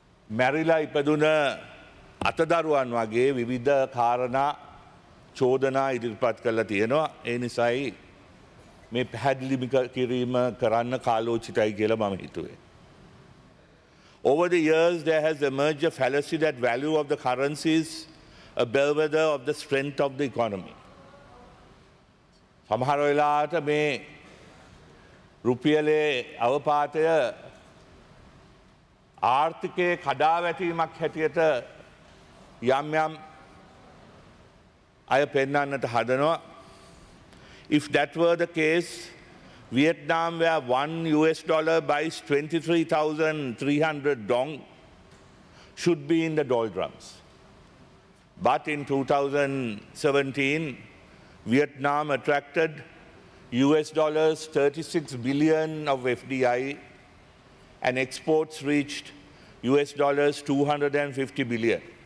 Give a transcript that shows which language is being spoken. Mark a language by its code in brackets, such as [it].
[si] මැරිලා ඉපදුන අතදරුවන් වගේ විවිධ කාරණා චෝදනා ඉදිරිපත් කරලා තියෙනවා. ඒ නිසයි මේ පැහැදිලි කිරීම කරන්න කාලෝචිතයි කියලා මම හිතුවේ. [en] Over the years there has emerged a fallacy that value of the currency is a bellwether of the strength of the economy. [si] සමහර වෙලාවට මේ රුපියලේ අවපාතය ආර්ථිකයේ කඩාවැටීමක් හැටියට යම් යම් අය පෙන්නන්නට හදනවා. [en] If that were the case, Vietnam where $1 buys 23,300 dong should be in the doldrums. But in 2017, Vietnam attracted $36 billion of FDI and exports reached $250 billion.